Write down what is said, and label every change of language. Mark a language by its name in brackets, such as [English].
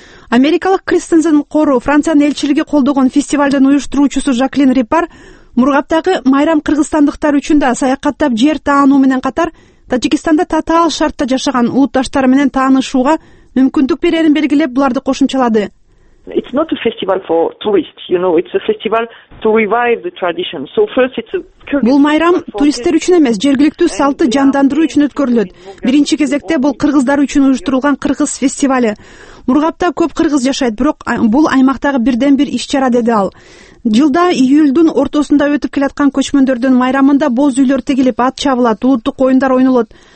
[Kyrgyz] Америкалык Кристенсен кору, Франциянын элчилиги колдогон фестивалдын уюштуруучусу Жаклин Рипар Мургаптагы майрам кыргызстандыктар үчүн да саякаттап жер таануу менен катар Тажикстанда татаал шартта жашаган улутташтары менен таанышууга мүмкүндүк берерин белгилеп, буларды кошумчалады. [English] It's not a festival for tourists, you know, it's a festival to revive the tradition. So first it's a [Kyrgyz] Бул майрам туристтер үчүн эмес, жергиликтүү салтты жандандыруу үчүн өткөрүлөт. Биринчи кезекте бул кыргыздар үчүн уюштурулган кыргыз фестивалы. Мургапта көп кыргыз жашайт, бирок бул аймактагы бирден бир иш-чара, деди ал. Жылда июлдун ортосунда өтүп келаткан көчмөндөрдүн майрамында боз үйлөр тегилип, ат чабылат, улуттук оюндар ойнолот.